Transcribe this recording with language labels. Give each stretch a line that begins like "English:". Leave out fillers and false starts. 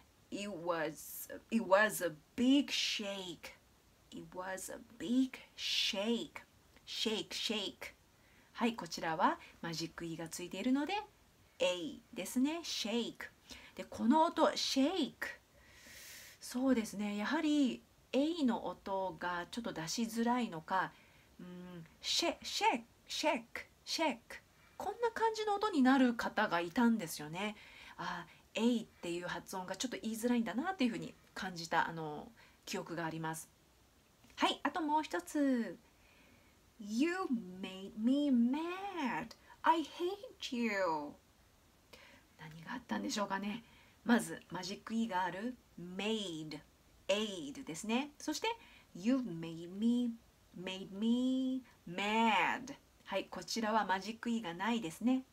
English: It was a big shakeIt was a big shake. Shake, shake.
Japanese: はい、こちらはマジック E がついているので A ですね。 Shake. でこの音 shake、 そうですね、やはり A の音がちょっと出しづらいのか、shake、 こんな感じの音になる方がいたんですよね。あ、A っていう発音がちょっと言いづらいんだなっていうふうに感じた、あの記憶があります。はい、あともう一つ、
English: You made me mad, I hate you。
Japanese: 何があったんでしょうかね。まずマジック E がある made、 aid ですね。そして
English: You made me mad、
Japanese: はい、こちらはマジック E がないですね。